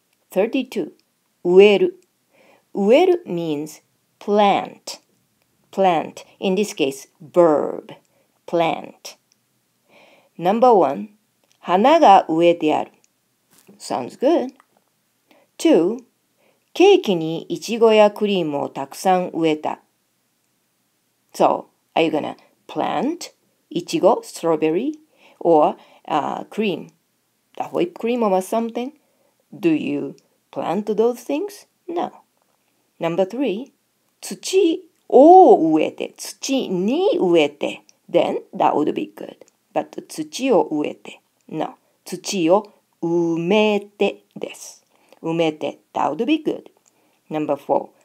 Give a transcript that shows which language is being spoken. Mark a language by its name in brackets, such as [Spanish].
[English] 32. 植える。植える means plant. Plant. In this case, verb. Plant. Number one. [Japanese] 花が植えてある。 [English] Sounds good. Two. [Japanese] ケーキにいちごやクリームをたくさん植えた。 [English] So, are you gonna plant いちご strawberry, or cream, the whipped cream or something? Do you plant those things? No. Number three, [Japanese] 土を植えて、土に植えて、 [English] then that would be good. But [Japanese] 土を植えて、 [English] no, [Japanese] 土を埋めてです。 [English] 埋めて、that would be good. Number four,